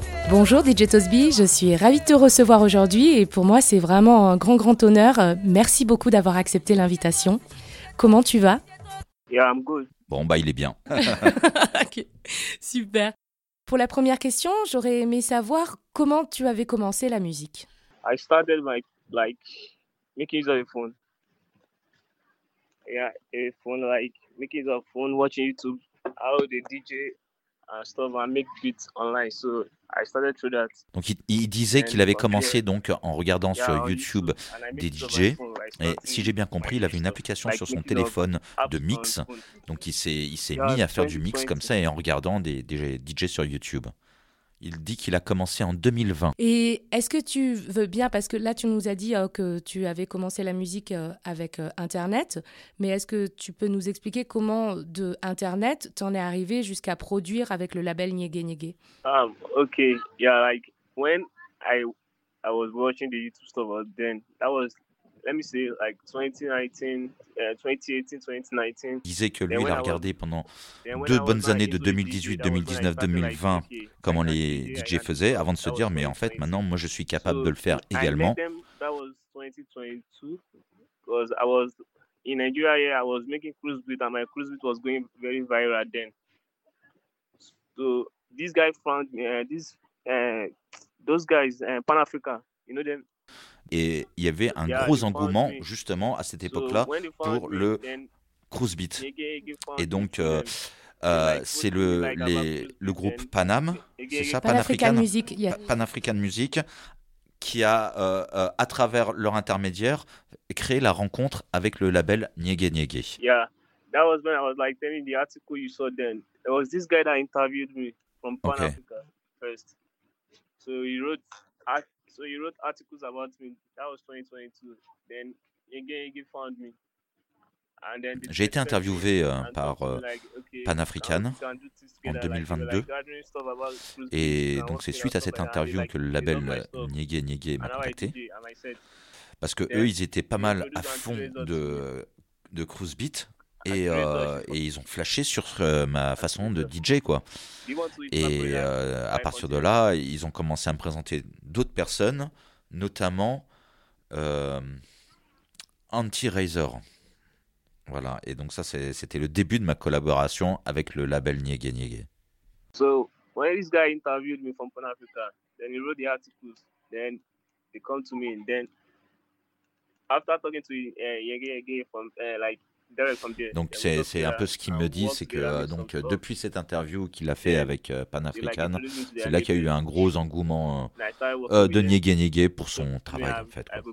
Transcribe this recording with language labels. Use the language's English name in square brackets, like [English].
[French] Bonjour DJ Topsy, je suis ravie de te recevoir aujourd'hui et pour moi c'est vraiment un grand grand honneur. Merci beaucoup d'avoir accepté l'invitation. Comment tu vas? [English] Yeah, I'm good. [French] Bon, bah, il est bien. [English] Okay. Super. [French] Pour la première question, j'aurais aimé savoir comment tu avais commencé la musique. [English] I started my, like, making use of a phone. Yeah, a phone, like, making use of a phone, watching YouTube, how they DJ and stuff and make beats online. So, I started through that. [French] Donc, il disait qu'il avait commencé donc en regardant sur YouTube des DJ. Et si j'ai bien compris, il avait une application sur son téléphone de mix. Donc, il s'est mis à faire du mix comme ça et en regardant des DJ sur YouTube. Il dit qu'il a commencé en 2020. Et est-ce que tu veux bien, parce que là, tu nous as dit que tu avais commencé la musique avec Internet, mais est-ce que tu peux nous expliquer comment de Internet, tu en es arrivé jusqu'à produire avec le label Nyege Nyege? [English] Ok, yeah, like, when I was watching the YouTube stuff, then that was, let me say, like, 2018, 2019. [French] Il disait que lui, il a regardé pendant deux bonnes années de 2018, 2019, 2020, comment les DJ faisaient, avant de se dire, mais en fait, maintenant, moi, je suis capable de le faire également. [English] That was 2022, because I was, in Nigeria, I was making cruise beat, and my cruise beat was going very viral then. So, this guy found, those guys, Pan-Africa, you know them? [French] Et il y avait un gros engouement justement à cette époque-là pour le cruise beat. Et donc, c'est le groupe Panam, c'est ça, Pan-African Music, Pan-African Music, qui a, à travers leur intermédiaire, créé la rencontre avec le label Nyege Nyege. [English] That was when I was like telling the article you saw then. It was this guy that interviewed me from Pan-Africa first. So he wrote articles about me. That was 2022. Then Nyege found me. And then [French] j'ai été interviewé par Pan-African en 2022. Et donc c'est suite à cette interview que le label Nyege Nyege m'a contacté. Parce que eux, ils étaient pas mal à fond de cruise beat. Et ils ont flashé sur ma façon de DJ, quoi. Et à partir de là, ils ont commencé à me présenter d'autres personnes, notamment Anti-Razor. Voilà, et donc ça, c'était le début de ma collaboration avec le label Nyege Nyege. [English] So, when this guy interviewed me from Pan-Africa, then he wrote the articles, then they come to me, and then after talking to Nyege Nyege from, like, [French] donc c'est un peu ce qu'il me dit, c'est que donc depuis cette interview qu'il a fait avec Pan-African, c'est là qu'il y a eu un gros engouement de Nyege Nyege pour son travail en fait.